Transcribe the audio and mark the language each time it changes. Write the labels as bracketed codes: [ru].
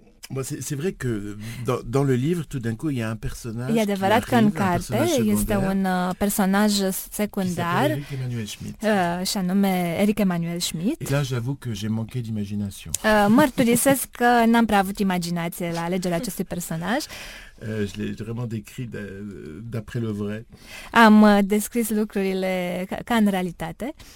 [fr] Bon, c'est vrai que dans le livre, tout d'un coup, il y a un personnage. [ro] E adevărat că în carte este un personaj secundar. [fr] Eric Emmanuel Schmidt. [ro] Și anume Eric Emmanuel Schmidt. [fr] Et là, j'avoue que j'ai manqué d'imagination. [ro] Mărturisesc că n-am prea avut imaginație la alegerea acestui personaj. [fr] Je l'ai vraiment décrit d'après le vrai. [ro] Am descris lucrurile ca în realitate.